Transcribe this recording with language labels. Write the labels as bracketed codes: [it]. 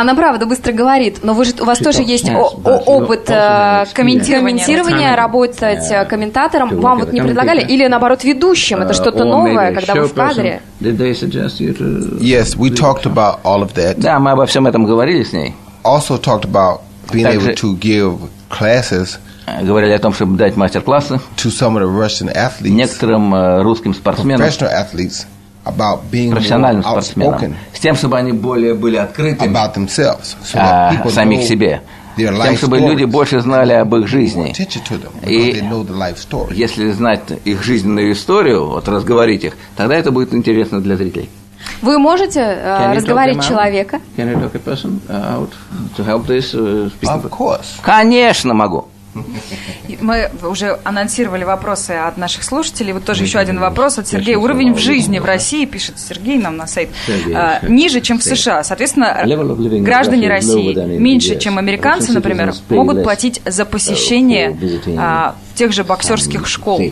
[ru] Она правда быстро говорит, но у вас тоже есть опыт комментирования, работать комментатором. Вам вот не предлагали? Или, наоборот, ведущим? Это что-то новое, когда вы в кадре? [en] Did they suggest you to... Yes, we talked about all of that. [ru] Да, мы обо всем этом говорили с ней. [en] Also talked about being able to give classes... [ru] Говорили о том, чтобы дать мастер-классы [en] to some of the Russian athletes, [ru] некоторым русским спортсменам, [en] professional athletes, about being [ru] профессиональным [en] more outspoken, [ru] спортсменам, с тем, чтобы они более были открытыми [en] about themselves, so that people [ru] о самих себе, с тем, чтобы люди больше знали об их жизни. И если знать их жизненную историю, вот разговорить их, тогда это будет интересно для зрителей. Вы можете разговаривать человека? [en] Can you talk a person out to help this, of course. [ru] Конечно, могу. Мы уже анонсировали вопросы от наших слушателей. Вот тоже еще один вопрос от Сергея. Уровень в жизни в России, пишет Сергей нам на сайт, ниже, чем в США. Соответственно, граждане России меньше, чем американцы, например, могут платить за посещение тех же боксерских школ.